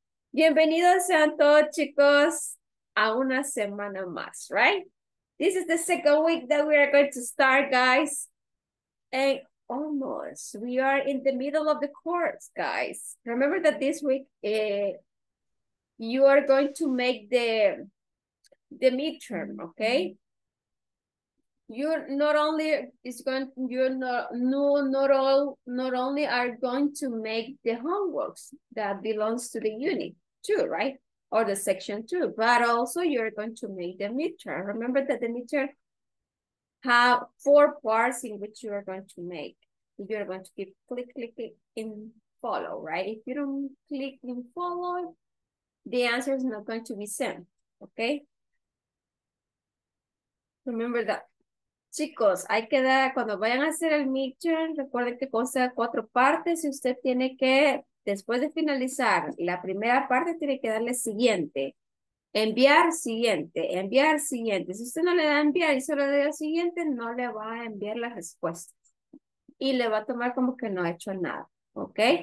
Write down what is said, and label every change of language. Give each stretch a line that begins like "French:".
Spanish: Bienvenidos sean todos, chicos, a una semana más, right?
English: This is the second week that we are going to start, guys. And almost, we are in the middle of the course, guys. Remember that this week, you are going to make the midterm, okay? Not only are going to make the homeworks that belongs to the unit two, right? Or the section two, but also you're going to make the midterm. Remember that the midterm have four parts in which you are going to make. You're going to keep click in follow, right? If you don't click in follow, the answer is not going to be sent, okay? Remember that.
Spanish: Chicos, hay que dar, cuando vayan a hacer el midterm, recuerden que consta de cuatro partes y usted tiene que, después de finalizar la primera parte, tiene que darle siguiente, enviar siguiente, enviar siguiente. Si usted no le da enviar y solo le da siguiente, no le va a enviar las respuestas y le va a tomar como que no ha hecho nada, ¿ok?